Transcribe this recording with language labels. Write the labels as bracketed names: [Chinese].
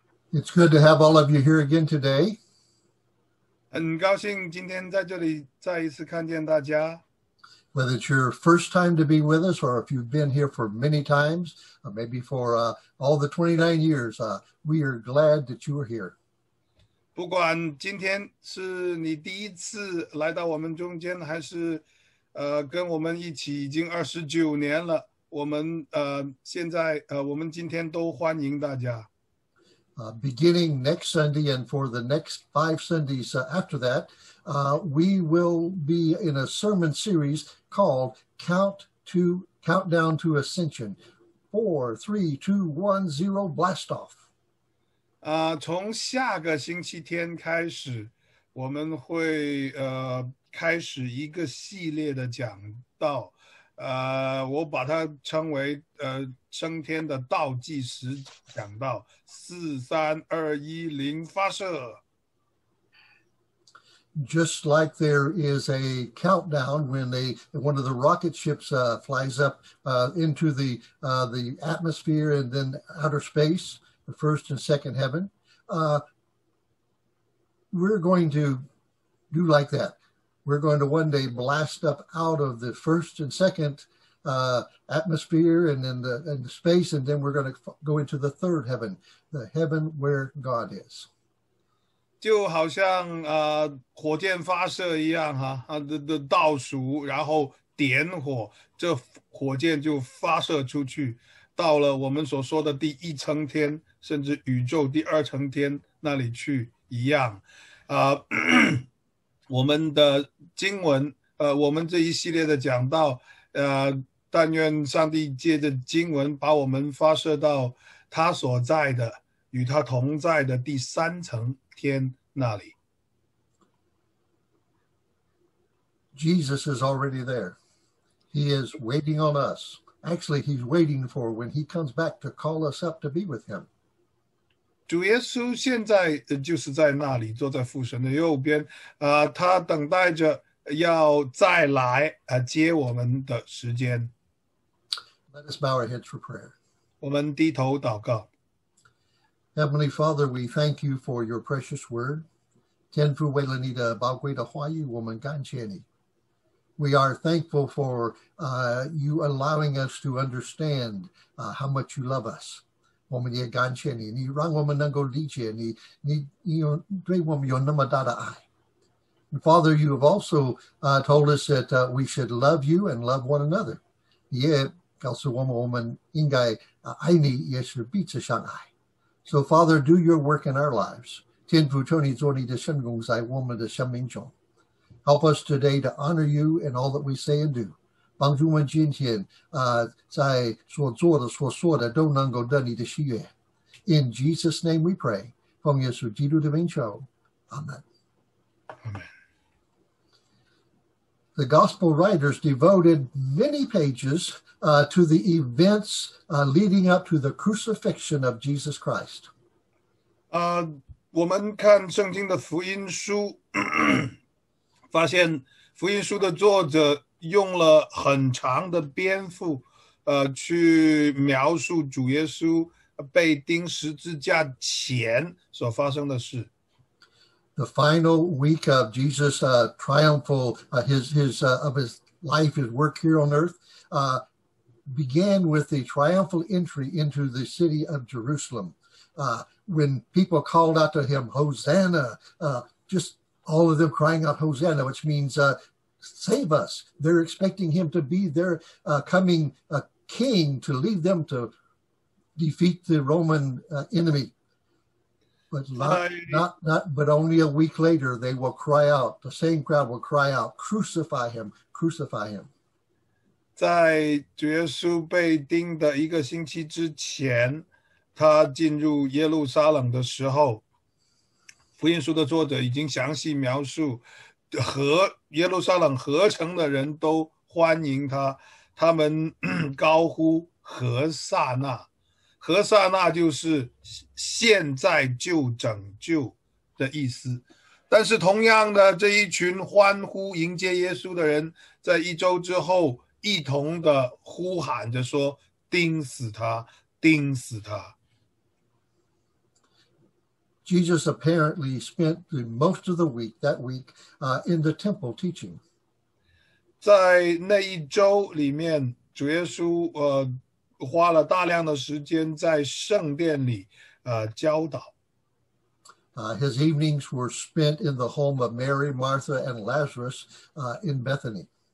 [English] It's good to have all of you here again today. [Chinese] 很高兴今天在这里再一次看见大家。 [English] Whether it's your first time to be with us, or if you've been here for many times, or maybe for all the 29 years, we are glad that you are here. [Chinese] 不管今天是你第一次来到我们中间，还是跟我们一起已经29年了，我们现在我们今天都欢迎大家。 [English] Beginning next Sunday and for the next 5 Sundays after that, we will be in a sermon series called Countdown to Ascension, 4, 3, 2, 1, 0, blast off. [Chinese] 从下个星期天开始，我们会开始一个系列的讲道，我把它称为升天的倒计时讲道，4, 3, 2, 1, 0，发射。 [English] Just like there is a countdown when one of the rocket ships flies up into the atmosphere and then outer space, the first and second heaven, we're going to do like that. We're going to one day blast up out of the first and second atmosphere and then the space, and then we're going to go into the third heaven, the heaven where God is. [Chinese] 就好像火箭发射一样哈，的倒数，然后点火，这火箭就发射出去，到了我们所说的第一层天，甚至宇宙第二层天那里去一样。我们的经文，我们这一系列的讲道，但愿上帝借着经文把我们发射到他所在的，与他同在的第三层天。那里， [English] Jesus is already there. He is waiting on us. Actually, he's waiting for when he comes back to call us up to be with him. [Chinese] 主耶稣现在就是在那里，坐在父神的右边，他等待着要再来接我们的时间。 [English] Let us bow our heads for prayer. [Chinese] 我们低头祷告。 [English] Heavenly Father, we thank you for your precious word. [Chinese] 天父为了你的宝贵的话语，我们感谢你。 [English] We are thankful for you allowing us to understand how much you love us. [Chinese] 我们也感谢你，你让我们能够理解你有对我们有那么大的爱。 [English] And Father, you have also told us that we should love you and love one another. [Chinese] 也告诉我们应该爱你，也是彼此相爱。 [English] So Father, do your work in our lives. [Chinese] 天父，求你做你的圣工在我们的生命中。 [English] Help us today to honor you in all that we say and do. [Chinese] 帮助我们今天在所做的、所说的都能够得你的喜悦。 [English] In Jesus' name we pray. [Chinese] 奉耶稣基督的名求， [English] Amen. The gospel writers devoted many pages to the events leading up to the crucifixion of Jesus Christ. [Chinese] 我们看圣经的福音书，发现福音书的作者用了很长的篇幅，去描述主耶稣被钉十字架前所发生的事。 [English] The final week of Jesus' triumphal his of his life, his work here on earth, began with the triumphal entry into the city of Jerusalem. When people called out to him, Hosanna, just all of them crying out Hosanna, which means save us. They're expecting him to be their coming king to lead them to defeat the Roman enemy. But only a week later, they will cry out, the same crowd will cry out, crucify him, crucify him. [Chinese] 在主耶稣被钉的一个星期之前，他进入耶路撒冷的时候，福音书的作者已经详细描述，和耶路撒冷合城的人都欢迎他，他们高呼何塞纳。何塞纳就是现在就拯救的意思，但是同样的，这一群欢呼迎接耶稣的人，在一周之后，一同的呼喊着说：“钉死他，钉死他。” [English] Jesus apparently spent the most of the week that week in the temple teaching. [Chinese] 在那一周里面, 主耶稣, 花了大量的时间在圣殿里, [English] His evenings were spent in the home of Mary, Martha, and Lazarus in Bethany.